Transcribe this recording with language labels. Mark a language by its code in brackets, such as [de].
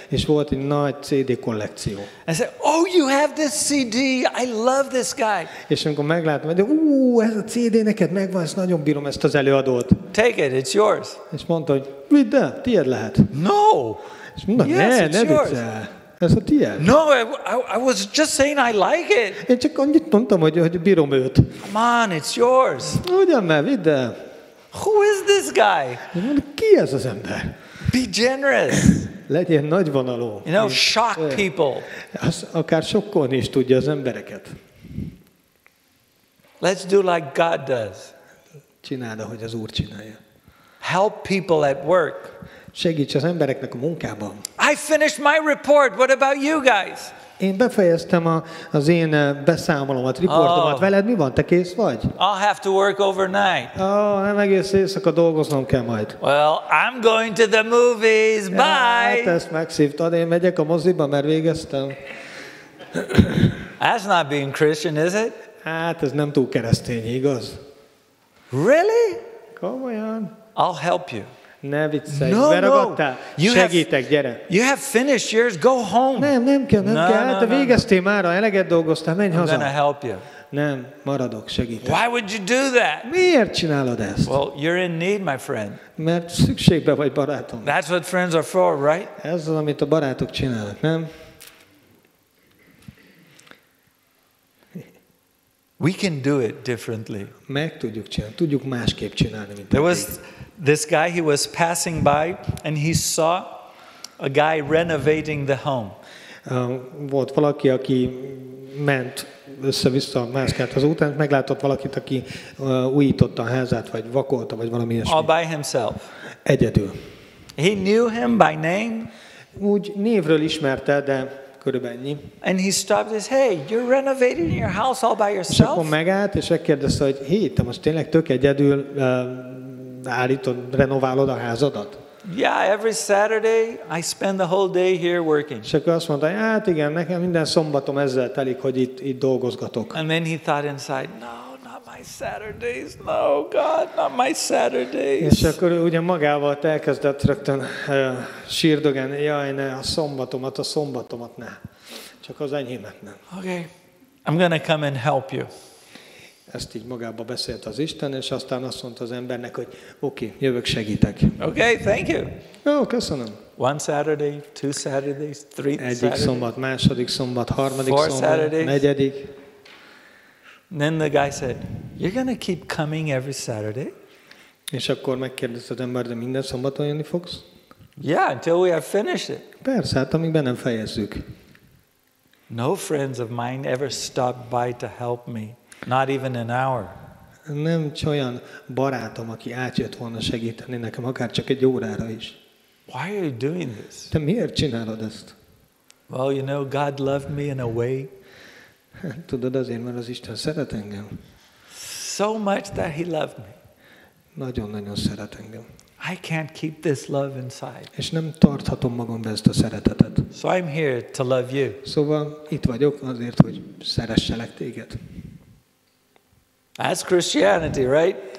[hu] És volt egy nagy CD kollekció. [en] I said, "Oh, you have this CD? I love this guy." [hu] És amikor megláttam, hogy ez a CD neked megvan, ezt nagyon bírom, ezt az előadót. [en] Take it, it's yours. [hu] És mondta, hogy vidd el, tiéd lehet. [en] No. [hu] És mondta, ne vidd el. Ez a tiéd. [en] No, I was just saying I like it. [hu] Én csak annyit mondtam, hogy bírom őt. [en] Come on, it's yours. [hu] Ugyan már, vidd el. [en] Who is this guy? [hu] Ki ez az ember? [en] Be generous. [hu] Legyél nagyvonalú. [en] You know, shock people. [hu] Az akár sokkolni is tudja az embereket. [en] Let's do like God does. [hu] Csináld, ahogy az Úr csinálja. [en] Help people at work. [hu] Segíts az embereknek a munkában. [en] I finished my report. What about you guys? [hu] Én befejeztem az én beszámolomat, riportomat. Veled mi van? Te kész vagy? [en] I'll have to work overnight. [hu] Nem egész éjszaka dolgoznom kell majd. [en] Well, I'm going to the movies. Bye. [hu] Hát ezt megszívtad. Én megyek a moziba, mert végeztem. [en] That's not being Christian, is it? [hu] Hát ez nem túl keresztény, igaz? [en] Really? [hu] Komolyan. [en] I'll help you. [hu] Ne viccelj, beragadtál. Segítek, gyere. [en] You have finished yours, go home. [hu] Nem kell. Hát végeztél már, eleget dolgoztál, menj haza. [en] I'm gonna help you. [hu] Nem, maradok, segítek. [en] Why would you do that? [hu] Miért csinálod ezt? [en] Well, you're in need, my friend. [hu] Mert szükségben vagy, barátom. [en] That's what friends are for, right? [hu] Ez az, amit a barátok csinálnak, nem? [en] We can do it differently. [hu] Meg tudjuk csinálni, tudjuk másképp csinálni, mint eddig. [en] This guy, he was passing by, and he saw a guy renovating the home. [hu] Volt valaki, aki ment össze-vissza máskát az úton, meglátott valakit, aki újította a házát, vagy vakolta, vagy valami ilyesmi. [en] All by himself. [hu] Egyedül. [en] He knew him by name. [hu] Úgy névről ismerte, de körülbelül ennyi. [en] And he stopped and said, hey, you're renovating your house all by yourself? [hu] És akkor megállt, és megkérdezte, hogy te most tényleg tök egyedül állítod, renoválod a házadat? [en] Yeah, every Saturday I spend the whole day here working. [hu] És akkor azt mondta, hát igen, nekem minden szombatom ezzel telik, hogy itt dolgozgatok. [en] And then he thought inside, no, not my Saturdays, no, God, not my Saturdays. [hu] És akkor ugye magával elkezdett rögtön sírdogálni, jaj, ne, a szombatomat ne. Csak az enyémet nem. [en] Okay, I'm gonna come and help you. [hu] Ezt így magába beszélt az Isten, és aztán azt mondta az embernek, hogy oké, jövök, segítek. [en] Okay, thank you. [hu] Jó, köszönöm. [en] One Saturday, two Saturdays, three Saturdays. [hu] Egyik szombat, második szombat, harmadik szombat, negyedik. [en] Then the guy said, you're gonna keep coming every Saturday? [hu] És akkor megkérdezte az ember, de minden szombaton jönni fogsz? [en] Yeah, until we have finished it. [hu] Persze, hát amíg be nem fejezzük. [en] No friends of mine ever stopped by to help me. Not even an hour. [hu] nem olyan barátom, aki átjött volna segíteni nekem, akár csak egy órára is. [en] Why are you doing this? [hu] Te miért csinálod ezt? [en] Well, you know, God loved me in a way. [hu] Tudod, azért, mert az Isten szeret engem. [en] So much that he loved me. [hu] Nagyon-nagyon szeret engem. [en] I can't keep this love inside. [hu] És nem tarthatom magamban ezt a szeretetet. [en] So I'm here to love you. [hu] Szóval itt vagyok azért, hogy szeresselek téged. [en] That's Christianity, right?